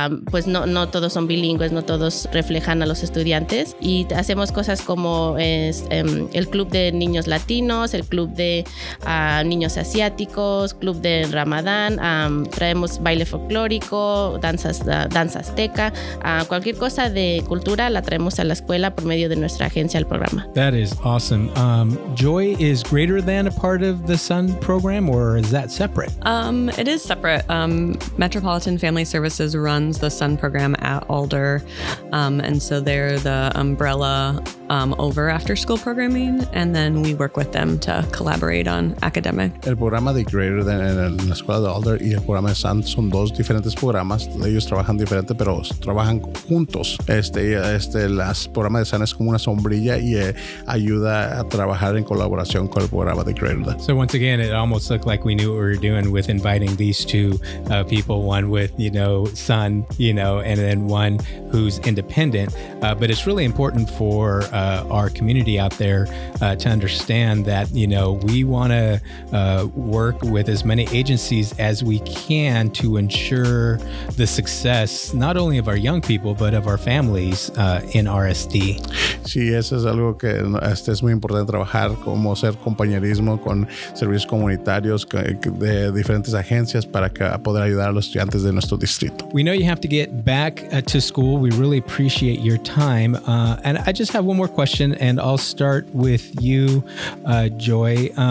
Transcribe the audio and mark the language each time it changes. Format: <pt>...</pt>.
<es>pues no todos son bilingües, no todos reflejan a los estudiantes y hacemos cosas como el club de niños latinos, el club de niños asiáticos, club de Ramadán, traemos baile folclórico, danza azteca, cualquier cosa de cultura la traemos a la escuela por medio de nuestra agencia al programa.</es> <en>That is awesome. Joy is greater than a part of the Sun program, or is that separate? It is separate. Metropolitan Family Services runs the Sun program at Alder, and so they're the umbrella over after school programming, and then we work with them to collaborate on academic.</en> <es>El programa de Greater Than en la escuela de Alder y el programa de Sun son dos diferentes programas. Ellos trabajan diferente, pero trabajan juntos. El programa de Sun es como una sombrilla y ayuda a trabajar en colaboración con el programa de Greater Than.</es> <en>So once again, it almost looked like we knew what we were doing with inviting these two people, one with, you know, Sun, you know, and then one who's independent. But it's really important for our community out there to understand that, you know, we want to work with as many agencies as we can to ensure the success, not only of our young people, but of our families in RSD.</en> <es>Sí, eso es algo que es muy importante trabajar, como hacer compañerismo con servicios comunitarios de diferentes agencias para poder ayudar a los estudiantes de nuestro distrito.</es> <en>We know you have to get back to school. We really appreciate your time. And I just have one more question, and I'll start with you, Joy.</en>